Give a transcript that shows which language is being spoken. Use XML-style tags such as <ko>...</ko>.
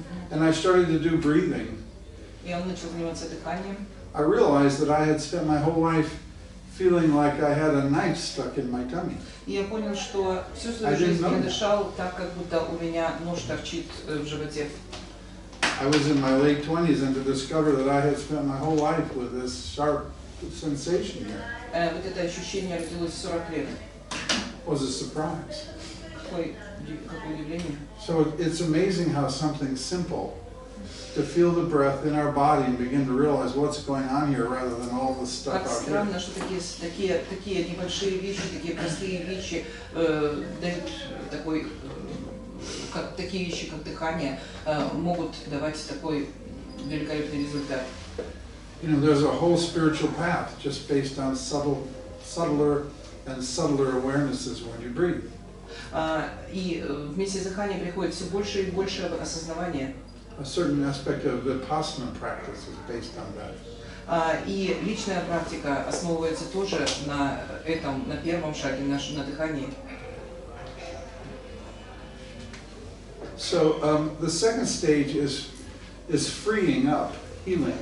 <en>And I started to do breathing.</en> <ru>И он начал заниматься дыханием.</ru> <en>I realized that I had spent my whole life feeling like I had a knife stuck in my tummy.</en> <ru>Я понял, что всю свою жизнь я дышал так, как будто у меня нож торчит в животе.</ru> <en>I was in my late 20s and to discover that I had spent my whole life with this sharp sensation here.</en> <ru>Вот это ощущение родилось в 40 лет.</ru> <en>Was a surprise.</en> <ru>Какое удивление.</ru> <en>So it's amazing how something simple to feel the breath in our body and begin to realize what's going on here rather than all the stuff out here.</en> <ru>Как странно, что такие небольшие вещи, такие простые вещи, такие вещи, как дыхание, могут давать такой великолепный результат.</ru> <en>You know, there's a whole spiritual path just based on subtler awarenesses when you breathe.</en> <ru>И вместе с дыханием приходит все больше и больше осознавания.</ru> <en>A certain aspect of vipassana practice is based on that.</en> <ru>И личная практика основывается тоже на этом, на первом шаге, на дыхании.</ru> <en>So the second stage is freeing up, healing.</en>